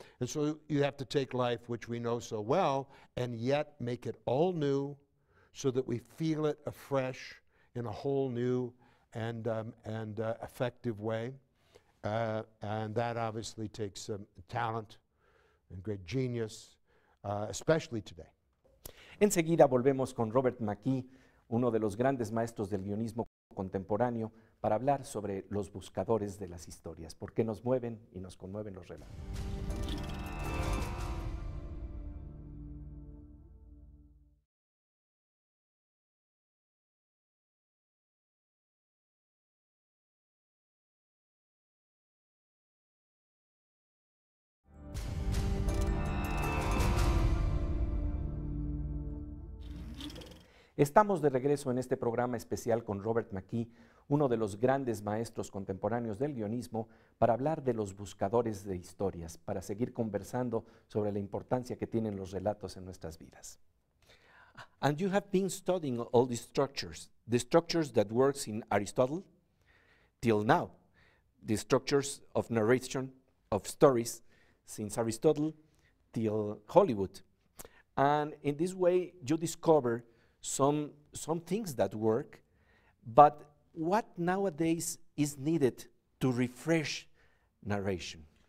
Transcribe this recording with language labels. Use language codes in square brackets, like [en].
[en] And so you have to take life, which we know so well, and yet make it all new so that we feel it afresh in a whole new and effective way. And that obviously takes some talent and great genius, especially today. [es] Enseguida volvemos con Robert McKee, uno de los grandes maestros del guionismo contemporáneo, para hablar sobre los buscadores de las historias, por qué nos mueven y nos conmueven los relatos. Estamos de regreso en este programa especial con Robert McKee, uno de los grandes maestros contemporáneos del guionismo, para hablar de los buscadores de historias, para seguir conversando sobre la importancia que tienen los relatos en nuestras vidas. [en] And you have been studying all these structures, the structures that works in Aristotle till now, the structures of narration, of stories, since Aristotle till Hollywood. And in this way, you discover some things that work, but what nowadays is needed to refresh narration?